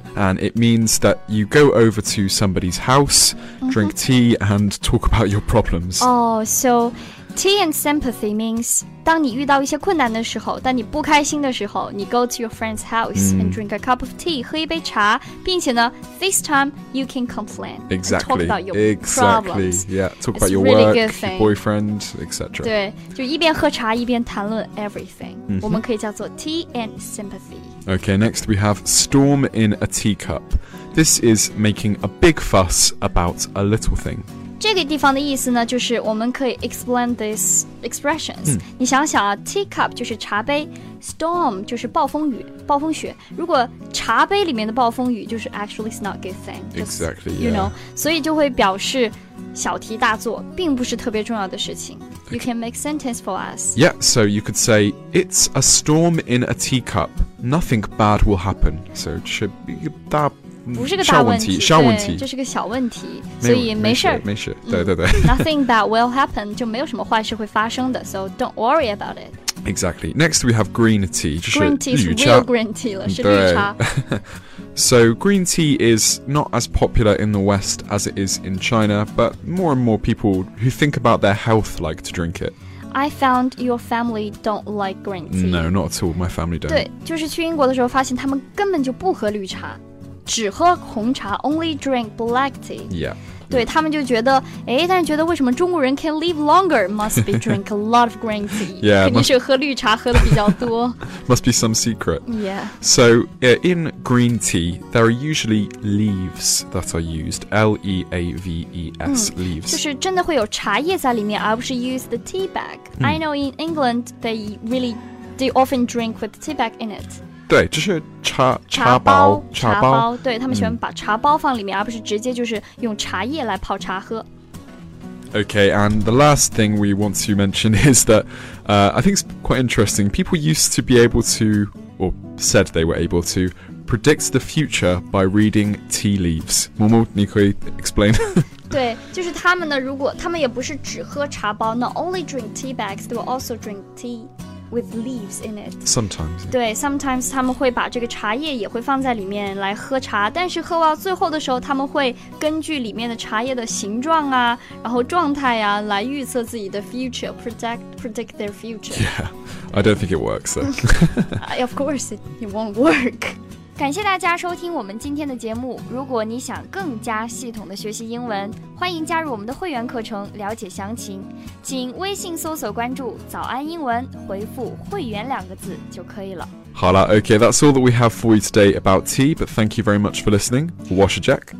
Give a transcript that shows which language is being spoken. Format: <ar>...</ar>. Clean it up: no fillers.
<en>and it means that you go over to somebody's house drink tea and talk about your problems oh so tea and sympathy means</en> <zh>当你遇到一些困难的时候当你不开心的时候你</zh> <en>go to your friend's house and drink a cup of tea</en> <zh>喝一杯茶并且呢</zh> <en>this time you can complain exactly talk about your exactly. problems yeah talk、 It's、 about your really work good thing. your boyfriend etc</en> <zh>对就一边喝茶一边谈论 everything、我们可以叫做</zh> <en>tea and sympathy okay next we have storm in a teacup this is making a big fuss about a little thing</en> <zh>这个地方的意思呢就是我们可以</zh> <en>explain these expressions、</en> <zh>你想想啊 teacup 就是茶杯 storm 就是暴风雨暴风雪如果茶杯里面的暴风雨就是</zh> <en>actually it's not a good thing exactly you、 yeah. know</en> <zh>所以就会表示小题大做并不是特别重要的事情</zh> <en>you can make sentence for us yeah so you could say it's a storm in a teacup nothing bad will happen so it should be a 大</en> <zh>不是个大问题，小问题，这是个小问题，所以没事，没事，对对对。</zh> <en>Nothing bad will happen,</en> <zh>就没有什么坏事会发生的</zh> <en>，so don't worry about it. Exactly. Next, we have green tea,</en> <zh>就是绿茶，</zh> <en>real green tea</en> <zh>了，是绿茶。</zh> <en>So green tea is not as popular in the West as it is in China, but more and more people who think about their health like to drink it. I found your family don't like green tea. No, not at all. My family don't.</en> <zh>对，就是去英国的时候发现他们根本就不喝绿茶，只喝红茶 ，</zh> <en>only drink black tea. Yeah.</en> <zh>对他们就觉得，哎，但是觉得为什么中国人</zh> <en>can live longer must be drink a lot of green tea. Yeah.</en> <zh>肯定是喝绿茶喝的比较多。</zh> <en>Must be some secret. Yeah. So, in green tea, there are usually leaves that are used. L-E-A-V-E-S, leaves.</en> <zh>就是真的会有茶叶在里面，而不是</zh> <en>use the tea bag. I know in England, they often drink with tea bag in it.</en> <zh>对，就是茶包，茶包，对他们喜欢把茶包放里面，而不是直接就是用茶叶来泡茶喝。</zh> <en>Okay, and the last thing we want to mention is that, I think it's quite interesting. People used to be able to, or said they were able to, predict the future by reading tea leaves.</en> <zh>Momo, 你可以 explain. 对，就是他们呢，如果他们也不是只喝茶包 ，</zh> <en>not only drink tea bags,</en> <zh>they will also drink tea.</zh> <en>With leaves in it. Sometimes.</en> <zh>对 ，sometimes 他们会把这个茶叶也会放在里面来喝茶，但是喝到最后的时候，他们会根据里面的茶叶的形状啊，然后状态啊，来预测自己的 future,</zh> <en>predict their future. Yeah, I don't think it works. Of course, it won't work.</en> <zh>感谢大家收听我们今天的节目。如果你想更加系统的学习英文，欢迎加入我们的会员课程，了解详情，请微信搜索关注“早安英文”，回复“会员”两个字就可以了。好了</zh> <en>，OK, that's all that we have for you today about tea. But thank you very much for listening.</en> <zh>我是</zh> <en>Jack，</en>